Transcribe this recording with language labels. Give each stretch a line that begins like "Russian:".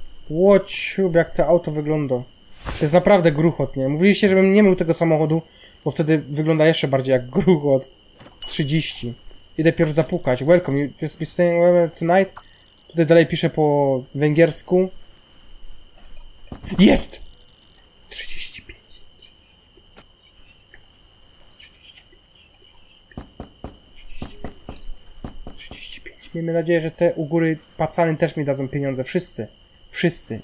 Polish: Łódź, jak to auto wygląda. To jest naprawdę gruchot, nie? Mówiliście, żebym nie mył tego samochodu, bo wtedy wygląda jeszcze bardziej jak gruchot. 30. Idę pierwszy zapukać.
English: Welcome, you just be staying over tonight.
Polish: Tutaj dalej piszę po węgiersku. Jest! 35. Miejmy nadzieję, że te u góry pacany też mi dadzą pieniądze. Wszyscy. Wszyscy.